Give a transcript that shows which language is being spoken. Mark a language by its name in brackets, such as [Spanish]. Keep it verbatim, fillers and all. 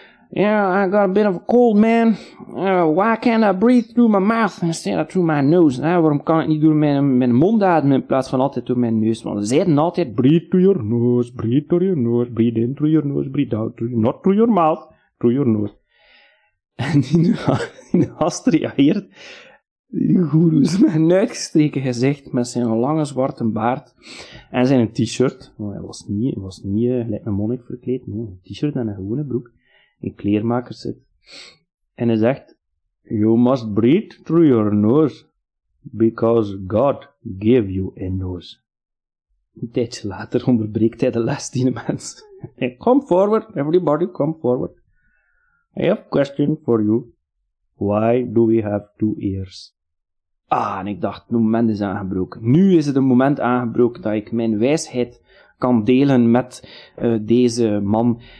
[English] Yeah, I got a bit of a cold, man. Uh, why can't I breathe through my mouth instead of through my nose? Hè? [Dutch] Waarom kan ik niet door mijn, mijn mond ademen in plaats van altijd door mijn neus? Want ze zeiden altijd, [English] breathe through your nose, breathe through your nose, breathe in through your nose, breathe out through your not through your mouth, through your nose. [Dutch] En die gast reageert, die goeroe is met een uitgestreken gezicht, met zijn lange zwarte baard en zijn t-shirt. Nou, hij was niet, hij was niet uh, gelijk een monnik verkleed, nee, een t-shirt en een gewone broek. Een kleermaker zit. En hij zegt, [English] you must breathe through your nose, because God gave you a nose. [Dutch] Een tijdje later onderbreekt hij de les die de mens. [English] Come forward, everybody, come forward. I have a question for you. Why do we have two ears? [Dutch] Ah, en ik dacht, het moment is aangebroken. Nu is het een moment aangebroken dat ik mijn wijsheid kan delen met uh, deze man.